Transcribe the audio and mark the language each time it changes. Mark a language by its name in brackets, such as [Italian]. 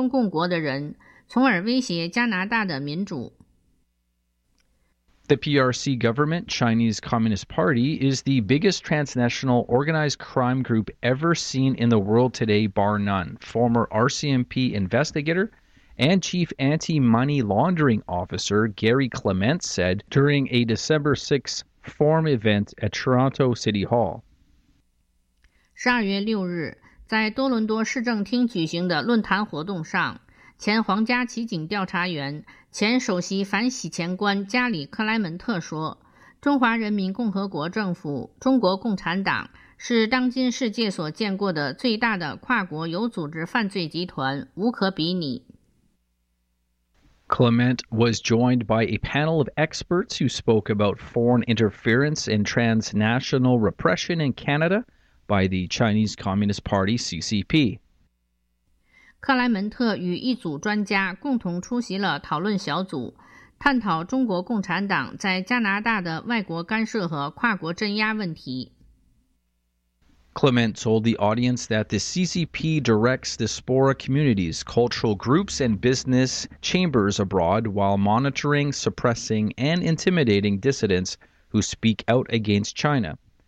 [Chinese] 前皇家骑警主管指中共是世界上有史以来最大的跨国游组织犯罪集团。前皇家骑警反犯罪收益项目的全国负责人加里克莱门特表示，中国共产党正在通过影响政界人士、商业领袖和社区意见领袖，打压那些批评中共国的人，从而威胁加拿大的民主。 [English] The PRC government, Chinese Communist Party, is the biggest transnational organized crime group ever seen in the world today, bar none. Former RCMP investigator and chief anti-money laundering officer Gary Clement said during a December 6 forum event at Toronto City Hall. [Chinese] 12月6日, 在多伦多市政厅举行的论坛活动上, 前皇家骑警调查员 前首席反洗钱官加里克莱门特说，中华人民共和国政府、中国共产党是当今世界所见过的最大的跨国游组织犯罪集团，无可比拟。Clement [English] was joined by a panel of experts who spoke about foreign interference and transnational repression in Canada by the Chinese Communist Party CCP. [Chinese] 克莱门特与一组专家共同出席了讨论小组，探讨中国共产党在加拿大的外国干涉和跨国镇压问题。Clement [English] told the audience that the CCP directs diaspora communities, cultural groups, and business chambers abroad while monitoring, suppressing, and intimidating dissidents who speak out against China.